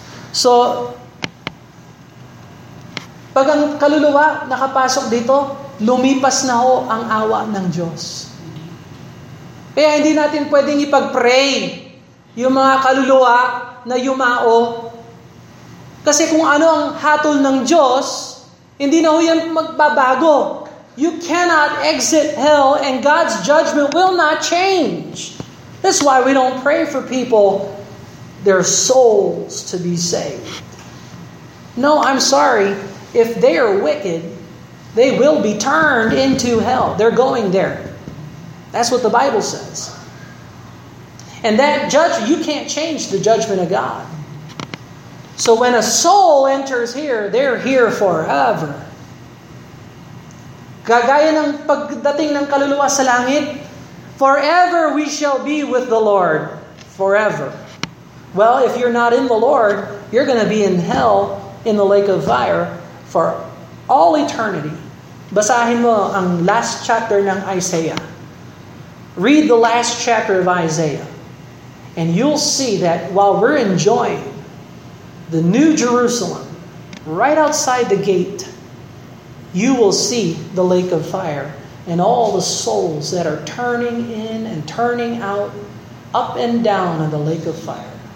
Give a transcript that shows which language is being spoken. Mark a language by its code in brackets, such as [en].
[tl] So, pag ang kaluluwa nakapasok dito, lumipas na ho ang awa ng Diyos. Kaya hindi natin pwedeng ipag-pray yung mga kaluluwa na yumao. Kasi kung ano ang hatol ng Diyos, hindi na ho yan magbabago. [en] You cannot exit hell and God's judgment will not change. That's why we don't pray for people, their souls to be saved. No, I'm sorry. If they are wicked, they will be turned into hell. They're going there. That's what the Bible says. And that judgment, you can't change the judgment of God. So when a soul enters here, they're here forever. [tl] Kagaya ng pagdating ng kaluluwa sa langit, [en] forever we shall be with the Lord. Forever. Well, if you're not in the Lord, you're going to be in hell, in the lake of fire, for all eternity. [tl] Basahin mo ang last chapter ng Isaiah. [en] Read the last chapter of Isaiah. And you'll see that while we're enjoying the New Jerusalem, right outside the gate, you will see the lake of fire and all the souls that are turning in and turning out up and down in the lake of fire.